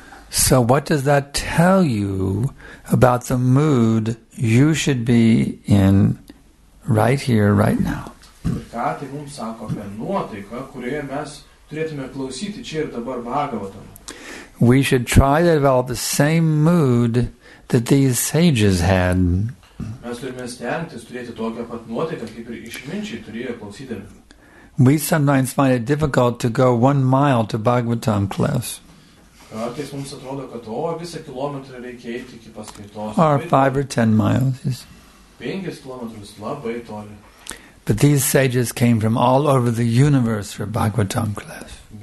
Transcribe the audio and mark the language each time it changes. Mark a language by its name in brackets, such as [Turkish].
[English] So what does that tell you about the mood you should be in right here, right now? [Lithuanian] Ką tai mums sako apie nuotaiką, kurioje mes turėtume klausyti čia ir dabar Bhagavatam? [English] We should try to develop the same mood that these sages had. [Lithuanian] Mes turime stengtis turėti tokią pat nuotaiką, kaip ir išminčiai turėjo klausydami. [English] We sometimes find it difficult to go 1 mile to Bhagavatam class. [Lithuanian] Kartais mums atrodo, kad visą kilometrą reikia eiti iki paskaitos. [English] Or 5 or 10 miles. [Lithuanian] 5 kilometrus labai toli. [English] But these sages came from all over the universe for Bhagavatam class.